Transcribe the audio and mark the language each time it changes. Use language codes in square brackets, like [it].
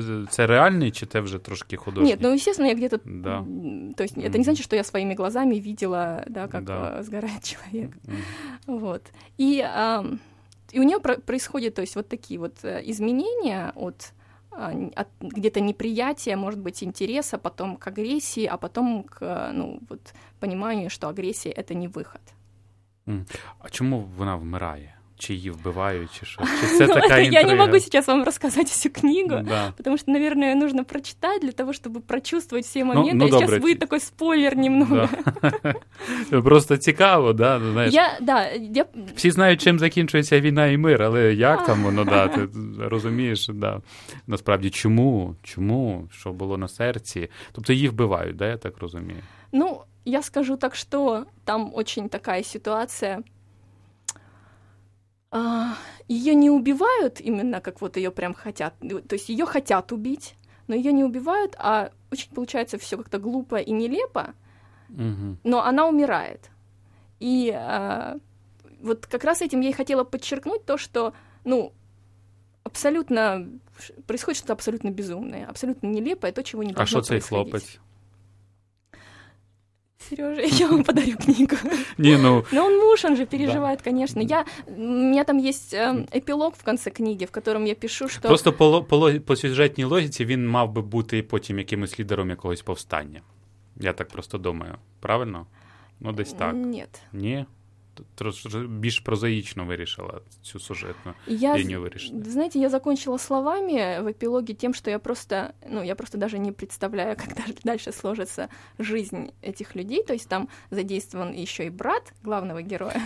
[uk] Це реальний, чи це вже трошки художній? Ні, звісно, я где-то... Да. [ru] То есть, это не значит, что я своими глазами видела, да, как сгорает человек. Вот. И у нее происходят, то есть, вот такие вот изменения от где-то неприятия, может быть, интереса, потом к агрессии, а потом к, пониманию, что агрессия — это не выход. [uk] А чому вона вмирає? Чи її вбивають, чи що? Чи це така інтрига? Я не можу зараз вам розказати всю книгу, тому що, мабуть, її потрібно прочитати для того, щоб прочувствувати всі моменти. Ну, добре. Зараз буде такий спойлер немного. Да. Просто цікаво, да? Знаєш, я... Всі знають, чим закінчується війна і мир, але як там воно, да, ти розумієш, да. Насправді, чому, що було на серці. Тобто її вбивають, да, я так розумію? [ru] Ну, я скажу так, що там очень така ситуація, ее не убивают именно, как вот ее прям хотят, то есть ее хотят убить, но ее не убивают, а очень получается все как-то глупо и нелепо, но она умирает. И вот как раз этим я и хотела подчеркнуть то, что, абсолютно происходит что-то абсолютно безумное, абсолютно нелепое, то, чего не должно происходить. [uk] А что цей хлопець? [ru] Сережа, я вам подарю книгу. Не, Но он муж, он же переживает, да. Конечно. У меня там есть эпилог в конце книги, в котором я пишу, что... Просто по сюжетной логике он мав бы быть потом каким-то лидером какого-то повстання. Я так просто думаю. Правильно? [uk] Десь так. [ru] Нет. Не? [uk] Більш прозаїчно вирішила цю сюжетну лінію вирішити. Знаєте, я закінчила словами в епілогі тим, що я просто, я просто даже не представляю, як далі сложиться жизнь цих людей. Тобто там задействований ще й брат главного героя.